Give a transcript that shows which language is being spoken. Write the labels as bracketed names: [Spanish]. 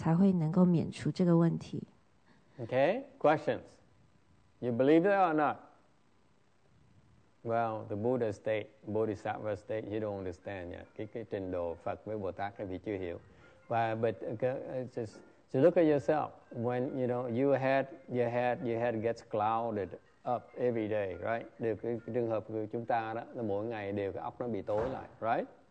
[Chinese] 来到今世的时候，你还需要还这个业报，所以直到你要修到佛的程度，你才会能够免除这个问题。Okay, [English] questions. You believe that or not? Well, the Buddha state, Bodhisattva state, you don't understand yet. [Vietnamese] Cái trình độ Phật với Bồ Tát thì chưa hiểu. [English] But look at yourself. When you know your head gets clouded. Up every day, right? [Vietnamese] Được cái trường hợp của chúng ta đó là mỗi ngày đều cái óc nó bị tối lại, right?